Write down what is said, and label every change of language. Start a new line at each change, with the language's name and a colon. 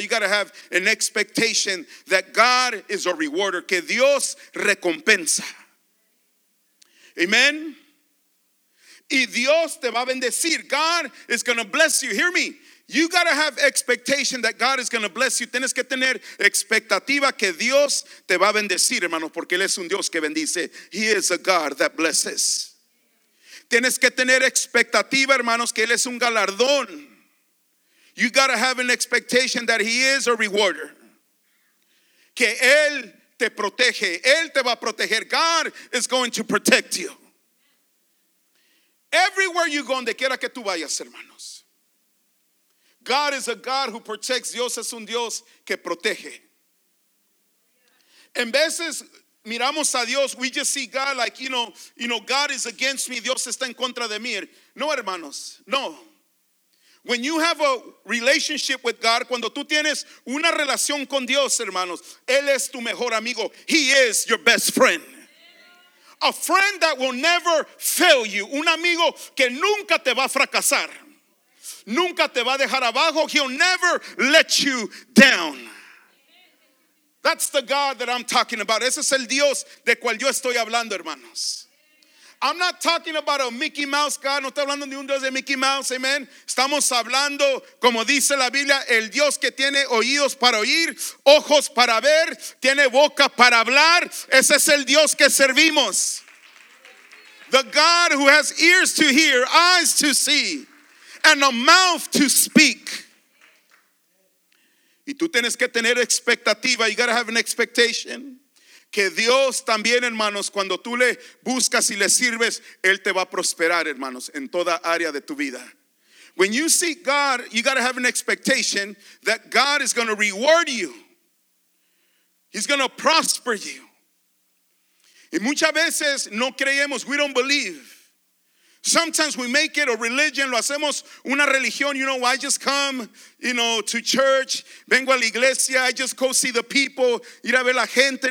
English: You gotta have an expectation that God is a rewarder,
Spanish: que Dios recompensa. Amen. Y Dios te va a bendecir.
English: God is gonna bless you. Hear me. You gotta have expectation that God is gonna bless you.
Spanish: Tienes que tener expectativa que Dios te va a bendecir, hermanos, porque él es un Dios que bendice.
English: He is a God that blesses.
Spanish: Tienes que tener expectativa, hermanos, que él es un galardón.
English: You gotta have an expectation that he is a rewarder.
Spanish: Que él te protege. Él te va a proteger.
English: God is going to protect you. Everywhere you go,
Spanish: donde quiera que tú vayas, hermanos.
English: God is a God who protects.
Spanish: Dios es un Dios que protege. En veces miramos a Dios,
English: we just see God like, you know, God is against me.
Spanish: Dios está en contra de mí. No, hermanos, no.
English: When you have a relationship with God,
Spanish: cuando tú tienes una relación con Dios, hermanos, él es tu mejor amigo.
English: He is your best friend. A friend that will never fail you.
Spanish: Un amigo que nunca te va a fracasar. Nunca te va a dejar abajo.
English: He'll never let you down. That's the God that I'm talking about.
Spanish: Ese es el Dios de cual yo estoy hablando, hermanos.
English: I'm not talking about a Mickey Mouse God.
Spanish: No estoy hablando de un Dios de Mickey Mouse, amen. Estamos hablando, como dice la Biblia, el Dios que tiene oídos para oír, ojos para ver, tiene boca para hablar. Ese es el Dios que servimos.
English: The God who has ears to hear, eyes to see, and a mouth to speak.
Spanish: Y tú tienes que tener expectativa.
English: You gotta have an expectation.
Spanish: Que Dios también, hermanos, cuando tú le buscas y le sirves, él te va a prosperar, hermanos, en toda área de tu vida.
English: When you seek God, you gotta have an expectation that God is gonna reward you. He's gonna prosper you.
Spanish: Y muchas veces no creemos,
English: we don't believe. Sometimes we make it a religion,
Spanish: lo hacemos una religión,
English: you know, I just come, you know, to church,
Spanish: vengo a la iglesia,
English: I just go see the people,
Spanish: ir a ver la gente.